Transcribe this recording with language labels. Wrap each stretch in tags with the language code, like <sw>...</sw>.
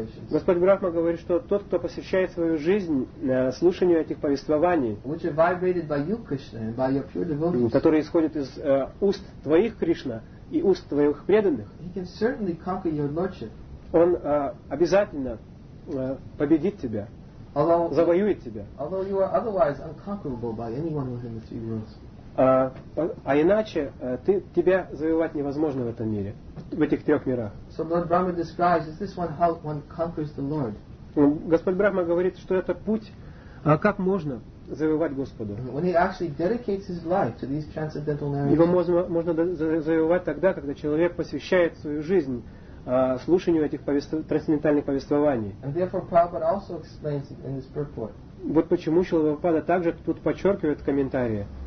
<ru>Господь Брахма говорит, что тот, кто посвящает свою жизнь слушанию этих повествований,</ru> <en>which are vibrated by you, Krishna, and by your pure devotees,</en> <ru>которые исходят из уст твоих, Кришна, и уст твоих преданных,</ru> <en>he can certainly conquer your lordship.</en> <ru>Он обязательно победит тебя,</ru> <en>although,</en> <ru>завоюет тебя.</ru> <en>Although you are otherwise unconquerable by anyone within the three worlds.</en> <ru>А иначе тебя завоевать невозможно в этом мире, в этих трех мирах.</ru> <en>So Lord Brahma describes, is this one how one conquers the Lord?</en> <ru>Господь Брахма говорит, что это путь, как можно завоевать Господа.</ru> <en>When he actually dedicates his life to these transcendental narratives.</en> <ru>Его можно завоевать тогда, когда человек посвящает свою жизнь слушанию этих трансцендентальных повествований.</ru> <en>And therefore, Prabhupada also explains it in his purport.</en> <ru>Вот почему Шрила Прабхупада также тут подчеркивает комментарии.</ru>